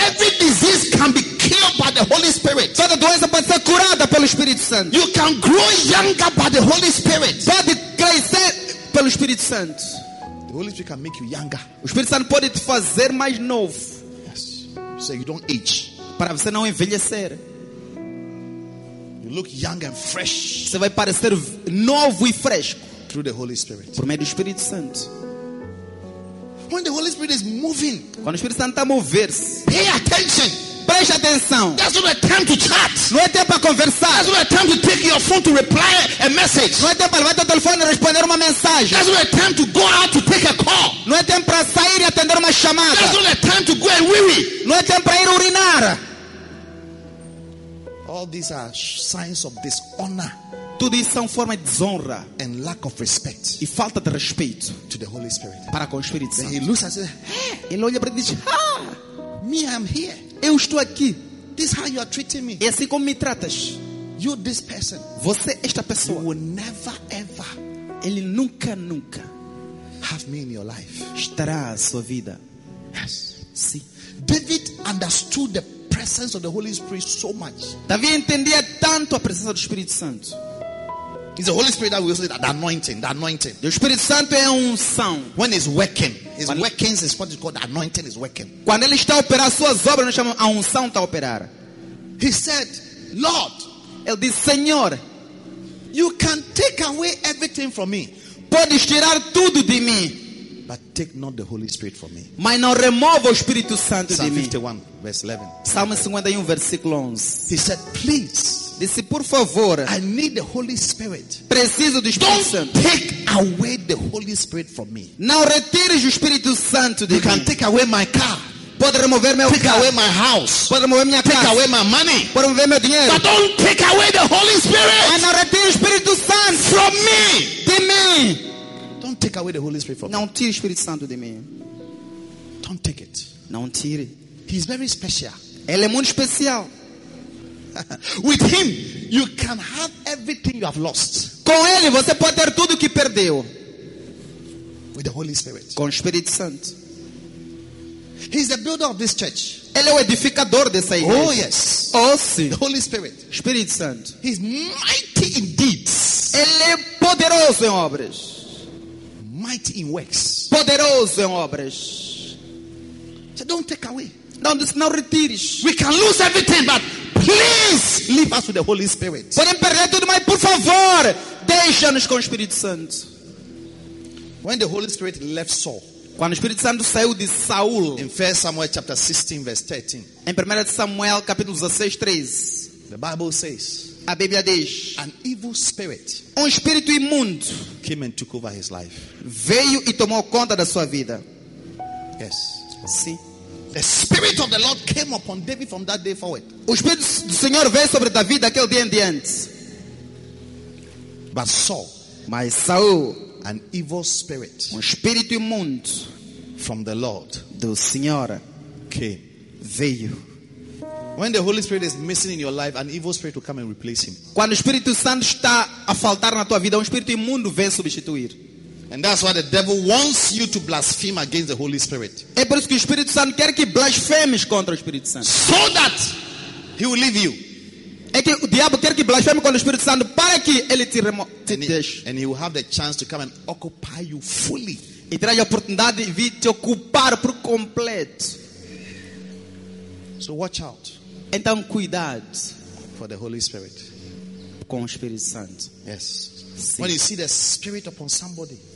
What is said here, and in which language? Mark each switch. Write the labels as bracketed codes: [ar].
[en] Every disease can be killed by the Holy Spirit. [pt] Toda doença pode ser curada pelo Espírito Santo. [en] You can grow younger by the Holy Spirit. [pt] Pode crescer pelo Espírito Santo. [en] The Holy Spirit can make you younger. [pt] O Espírito Santo pode te fazer mais novo. [en] Yes. So you don't age. [pt] Para você não envelhecer. [en] You look young and fresh. [pt] Você vai parecer novo e fresco. [en] Through the Holy Spirit. [pt] Por meio do Espírito Santo. [en] When the Holy Spirit is moving. [pt] Quando o Espírito Santo está a mover-se. [en] Pay attention. [pt] Preste atenção. [en] That's not a time to chat. [pt] Não é tempo para conversar. [en] That's not a time to take your phone to reply a message. [pt] Não é tempo para levar teu telefone e responder uma mensagem. [en] That's not a time to go out to take a call. [pt] Não é tempo para sair e atender uma chamada. [en] That's not a time to go and wee-wee. [pt] Não é tempo para ir urinar. [en] All these are signs of dishonor. [pt] Tudo isso são formas de desonra [en] and lack of respect [pt] e falta de respeito [en] to the Holy Spirit. [pt] Para com o Espírito Santo. [en] Then he looks and says, hey. [pt] Ele olha para ele e diz, [en] me, I'm here. [pt] Eu estou aqui. [en] This is how you are treating me. [pt] É assim como me tratas. [en] You, this person. [pt] Você, esta pessoa. [en] You will never, ever. [pt] Ele nunca, nunca. [en] Have me in your life. [pt] Estará a sua vida. [en] Yes. [pt] Sim. [en] David understood the presence of the Holy Spirit so much. [pt] Davi entendia tanto a presença do Espírito Santo. [en] It's the Holy Spirit that we also need, the anointing, the anointing. [pt] O Espírito Santo é unção. [en] When it's working, his workings is what is called the anointing is working. [pt] Quando ele está a operar suas obras, nós chamamos a unção está a operar. [en] He said, Lord, [pt] ele disse, Senhor, [en] you can take away everything from me. [pt] Pode tirar tudo de mim. [en] But take not the Holy Spirit from me. [pt] Mas não remova o Espírito Santo [en] Psalm [pt] de mim. [en] Psalm [pt] 51 versículo 11. [en] He said, please. [pt] Disse, por favor, [en] I need the Holy Spirit. [pt] Preciso do Espírito [en] Don't [pt] Santo. [en] Take away the Holy Spirit from me. [pt] Não retires o Espírito Santo de [en] you [pt] mim. [en] You can take away my car. [pt] Pode remover meu [en] take [pt] carro. [en] Away my house. [pt] Pode remover minha [en] take [pt] casa. [en] Away my money. [pt] Pode remover meu dinheiro. [en] But don't take away the Holy Spirit. [pt] Mas não retire o Espírito Santo [en] from me. [pt] De mim. [en] Don't take away the Holy Spirit from [pt] não tire o Espírito Santo de mim. [en] Don't take it. [pt] Não tire. [en] He's very special. [pt] Ele é muito especial. [en] With him, you can have everything you have lost. [pt] Com ele, você pode ter tudo que perdeu. [en] With the Holy Spirit. [pt] Com o Espírito Santo. [en] He's the builder of this church. [pt] Ele é o edificador dessa igreja. [en] Oh yes. [pt] Ouça, [en] the Holy Spirit. [pt] Espírito Santo. [en] He is mighty in deeds. [pt] Ele é poderoso em obras. [en] Mighty in works. [pt] Poderoso em obras. [en] So don't take away. [pt] Não, this, não retires. [en] We can lose everything, but please leave us with the Holy Spirit. [pt] Podemos perder tudo, mas por favor, deixa-nos com o Espírito Santo. [en] When the Holy Spirit left Saul. [pt] Quando o Espírito Santo saiu de Saul. [en] In 1 Samuel chapter 16 verse 13. [pt] Em 1 Samuel capítulo 16, 13. [en] The Bible says. [pt] A Bíblia diz. [en] An evil spirit. [pt] Espírito imundo. [en] Came and took over his life. [pt] Veio e tomou conta da sua vida. [en] Yes. [pt] Sim. [en] The spirit of the Lord came upon David from that day forward. [pt] O Espírito do Senhor veio sobre David daquele dia em diante. [en] But Saul. [pt] Mas Saul. [en] An evil spirit, [pt] espírito imundo, [en] from the Lord, [pt] do Senhor, [en] came, [pt] veio. [en] When the Holy Spirit is missing in your life, an evil spirit will come and replace him. [pt] Quando o Espírito Santo está a faltar na tua vida, espírito imundo vem substituir. [en] And that's why the devil wants you to blaspheme against the Holy Spirit. [pt] É por isso que o Espírito Santo quer que blasfemes contra o Espírito Santo. [en] So that he will leave you. [pt] É que o diabo quer que blasfeme contra o Espírito Santo para que ele te deixe. [en] And he will have the chance to come and occupy you fully. [pt] E terá a oportunidade de vir te ocupar por completo. [en] So watch out. [pt] Então cuidado. [en] For the Holy Spirit. [pt] Com o Espírito Santo. [en] Yes. [pt] Sim. [en] When you see the Spirit upon somebody.